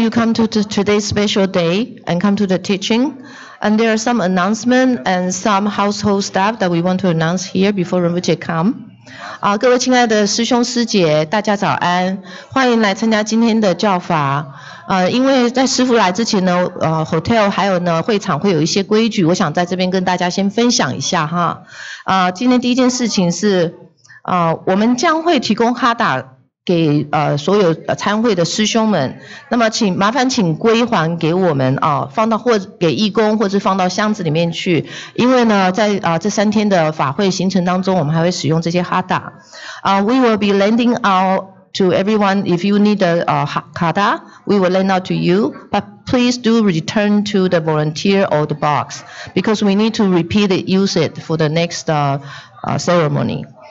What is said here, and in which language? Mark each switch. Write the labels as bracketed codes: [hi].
[en] You come to today's special day and come to the teaching. And there are some announcements and some household stuff that we want to announce here before Rinpoche come. [zh] 各位亲爱的师兄师姐，大家早安，欢迎来参加今天的教法。因为在师父来之前呢，hotel 还有呢会场会有一些规矩，我想在这边跟大家先分享一下哈。今天第一件事情是，我们将会提供哈达给所有参会的师兄们，那么请归还给我们啊，放到或给义工，或是放到箱子里面去。因为呢，在这三天的法会行程当中，我们还会使用这些哈达。 [en] We will be lending out to everyone. If you need a kata, we will lend out to you. But please do return to the volunteer or the box because we need to repeat it, use it for the next ceremony.